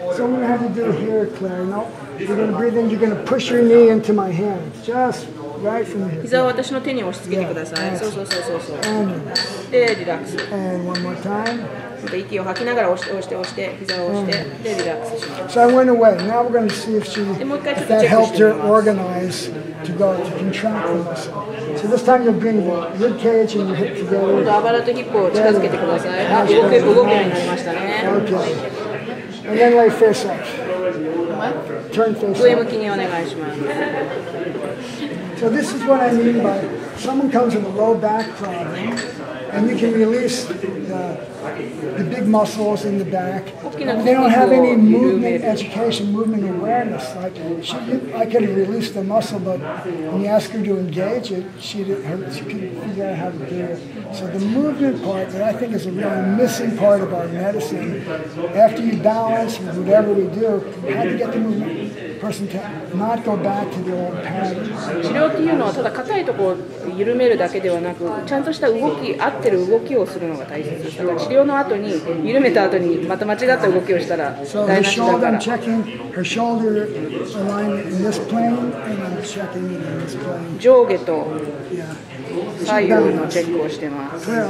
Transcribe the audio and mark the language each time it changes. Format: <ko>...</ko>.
<en>So what we're going to have to do here, Claire, no, you're going to breathe in, you're going to push your knee into my hand, just right from here.</en> <ja>膝を私の手に押し付けてください。</ja> <en>Yeah,</en> <ja>そう。</ja> <en>And</en> <ja>relax. で、リラックス。</ja> <en>And one more time.</en> <ja>また息を吐きながら押して、膝を押して、And、で、リラックスします。</ja> <en>So I went away. Now we're going to see if she, that helped her organize to go, to contract the muscle. So this time you'll bring the rib cage and your hip together.</en> <ja>今度、あばらとヒップを近づけてください。あ、動くようになりましたね。</ja> <en>Okay. And then lay face up. Turn face up.</en> <ja>上向きにお願いします。</ja> <en>So this is what I mean by someone comes with a low back problem, and you can release the big muscles in the back. They don't have any movement education, movement awareness. Like I could have released the muscle, but when you ask her to engage it, she couldn't figure out how to do it. So the movement part that I think is a really missing part of our medicine, after you balance with whatever we do, how to get the movement person to not go back to the old pattern.</en> <ja>治療っていうのはただ硬いところを緩めるだけではなく、ちゃんとした動き、合ってる動きをするのが大切です。治療の後に、緩めた後にまた間違った動きをしたら台無しだから、上下と左右のチェックをしてます。</ja>